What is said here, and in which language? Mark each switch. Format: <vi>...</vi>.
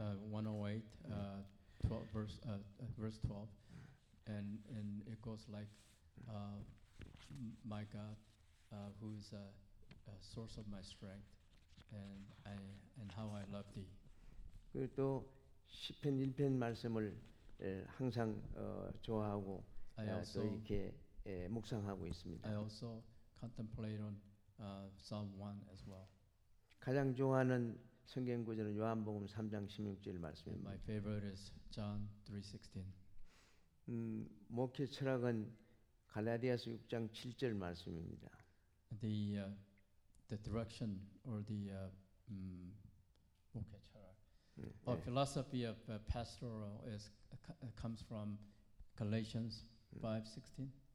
<en>108, 12 verse, verse 12, and it goes like, my God, who is a source of my strength, and how I love thee.</en> <ko>그리고 또 10편 1편 말씀을 항상 좋아하고 또 이렇게 묵상하고 있습니다.</ko> <en>I also contemplate on Psalm 1 as well.</en> <ko>가장 좋아하는 성경 구절은 요한복음 3장 16절 말씀입니다.</ko> <en>My favorite is John 3:16.</en> <ko>목회 철학은 갈라디아서 6장 7절 말씀입니다.</ko> <en>The direction or the</en> <ko>목회 철학.</ko> <en>The philosophy of pastoral is comes from Galatians 5:16.</en>